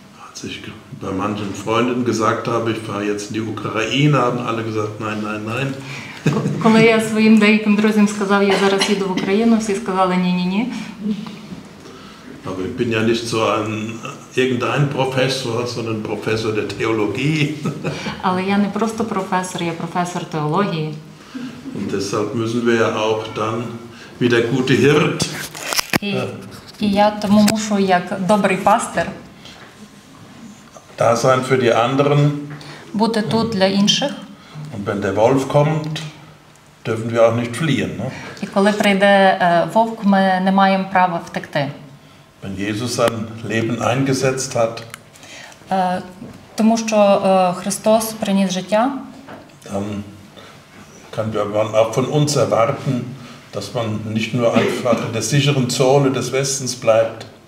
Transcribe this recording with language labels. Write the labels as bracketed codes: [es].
[de] Als ich bei manchen Freunden gesagt habe, ich fahre jetzt in die Ukraine, haben alle gesagt, nein, nein, nein. [uk] Коли я своїм деяким друзям сказав, я зараз їду в Україну, всі сказали ні-ні-ні. [de] Aber ich bin ja nicht so irgendein Professor, sondern Professor der Theologie. [uk] Але я не просто професор, я професор теології. [de] Und deshalb müssen wir ja auch dann wie der gute Hirt. [uk] І я тому мушу як добрий пастир. [de] Da sein für die anderen. [uk] Бути тут для інших. [de] Und wenn der Wolf kommt, dürfen wir auch nicht fliehen, ne? [uk] І коли прийде вовк, ми не маємо права втекти. [de] Wenn Jesus sein Leben eingesetzt hat. [uk] Тому що Христос приніс життя. [de] Dann kann man auch von uns erwarten, dass man nicht nur einfach in der sicheren Zone des Westens bleibt.